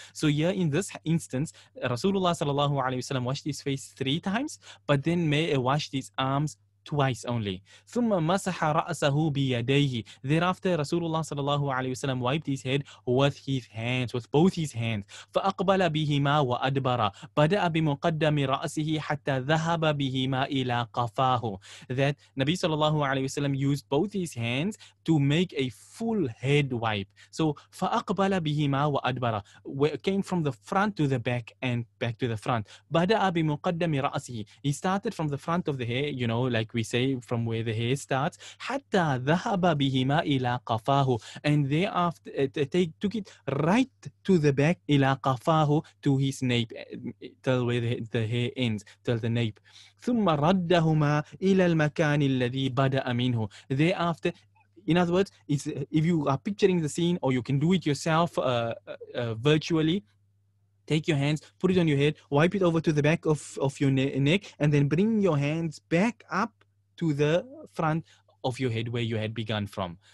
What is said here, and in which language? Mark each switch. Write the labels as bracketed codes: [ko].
[en] So here in this instance, Rasulullah sallallahu alayhi wa sallam washed his face three times, but then washed his arms twice only. [ar] ثم مسح رأسه بيديه. [en] Thereafter, Rasulullah sallallahu alaihi wasallam wiped his head with his hands, with both his hands. [ar] فأقبل بهما وأدبر. بدأ بمقدم رأسه حتى ذهب بهما إلى قفاه. [en] That Nabi sallallahu alaihi wasallam used both his hands to make a full head wipe. [ar] So فأقبل بهما وأدبر. [en] Came from the front to the back and back to the front. [ar] بدأ بمقدم رأسه. [en] He started from the front of the hair, you know, like we say, from where the hair starts. [ar] حتى ذهب بهما إلى قفاه. [en] And thereafter, they took it right to the back, [ar] إلى قفاه, [en] to his nape, till where the hair ends, till the nape. [ar] ثم ردهما إلى المكان الذي بدأ منه. [en] Thereafter, in other words, if you are picturing the scene, or you can do it yourself virtually, take your hands, put it on your head, wipe it over to the back of your neck, and then bring your hands back up to the front of your head where you had begun from.